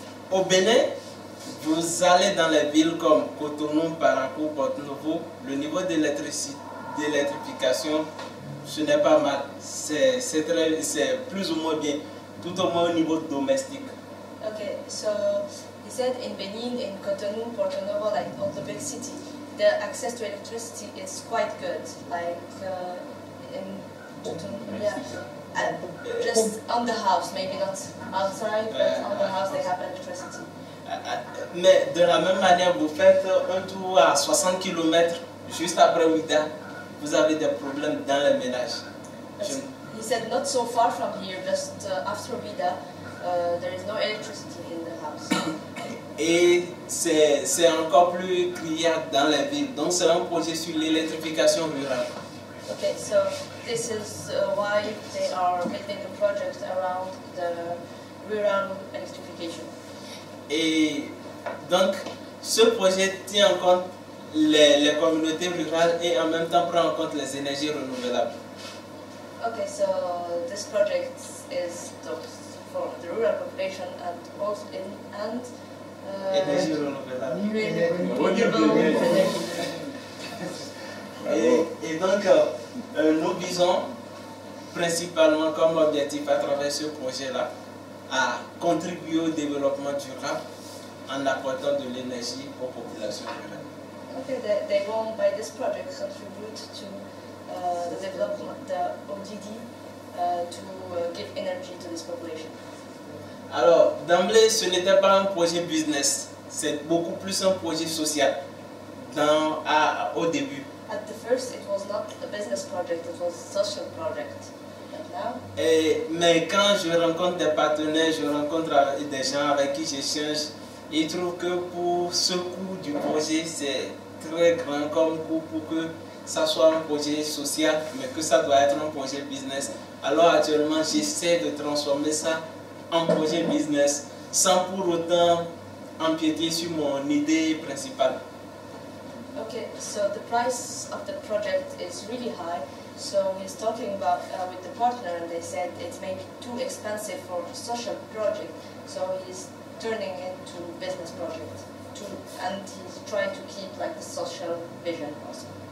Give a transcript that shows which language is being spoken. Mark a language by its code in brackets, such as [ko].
[fr] Au Bénin, vous allez dans les villes comme Cotonou, Parakou, Port-Novo, le niveau d'électrification, ce n'est pas mal, c'est plus ou moins bien, tout au moins au niveau domestique. [en] Ok, so he said in Benin, in Cotonou, Porto-Novo, like all the big city, the access to electricity is quite good, like in Cotonou, just on the house, maybe not outside, but on the house they have electricity. [fr] Mais de la même manière, vous faites un tour à 60 km juste après Ouida, vous avez des problèmes dans le ménage. [en] He said not so far from here, just after Ouida, there is no electricity in the house. [fr] Et c'est encore plus criant dans les villes, donc c'est un projet sur l'électrification rurale. [en] Okay, so this is why they are building a project around the rural electrification. [fr] Et donc, ce projet tient en compte les communautés rurales et en même temps prend en compte les énergies renouvelables. [en] Okay, so this project is for the rural population and also in and [fr] énergies renouvelables. Et donc, nous visons principalement comme objectif à travers ce projet-là, à contribuer au développement durable en apportant de l'énergie aux populations rurales. [en] Okay, they will, by this project, contribute to the development of the ODD. To give energy to this population. [fr] Alors, d'emblée, ce n'était pas un projet business. C'est beaucoup plus un projet social. Au début. [en] At the first, it was not a business project. It was a social project. And now. [fr] Mais quand je rencontre des partenaires, je rencontre des gens avec qui j'échange, ils trouvent que pour ce coût du projet, c'est très grand comme coût pour que ça soit un projet social, mais que ça doit être un projet business. Alors actuellement, j'essaie de transformer ça en projet business sans pour autant empiéter sur mon idée principale. [en] Okay, so the price of the project is really high. So he's talking about with the partner, and they said it's maybe too expensive for a social project. So he's turning it to business project too, and he's trying to keep like the social vision also.